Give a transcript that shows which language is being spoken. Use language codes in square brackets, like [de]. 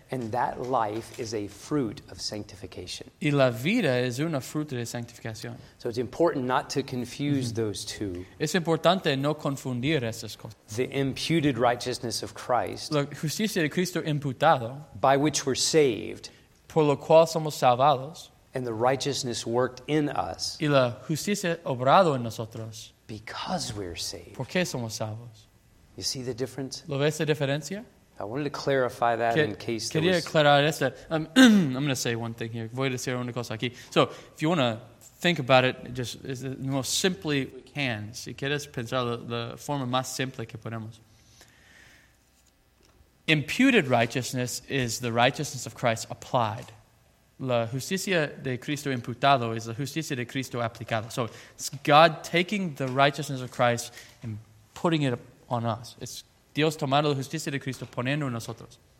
[en] And that life is a fruit of sanctification. [es] Y la vida es una fruto de sanctificación. [en] So it's important not to confuse those two. [es] Es importante no confundir esas cosas. [en] The imputed righteousness of Christ. [es] La justicia de Cristo imputado. [en] By which we're saved. [es] Por lo cual somos salvados. [en] And the righteousness worked in us. [es] Y la justicia obrado en nosotros. [en] Because we're saved. [es] Porque somos salvos. [en] You see the difference? [es] ¿Lo ves la diferencia? [en] I wanted to clarify that in case [es] quería [en] there was... [es] aclarar esto. [en] I'm going to say one thing here. [es] Voy a decir una cosa aquí. [en] So, if you want to think about it, just as most simply we can. [es] Si quieres pensar la forma más simple que podemos. [en] Imputed righteousness is the righteousness of Christ applied. [es] La justicia de Cristo imputado [en] is [es] la justicia de Cristo aplicado. [en] So it's God taking the righteousness of Christ and putting it on us. It's [es] Dios tomando la justicia de Cristo poniendo en nosotros.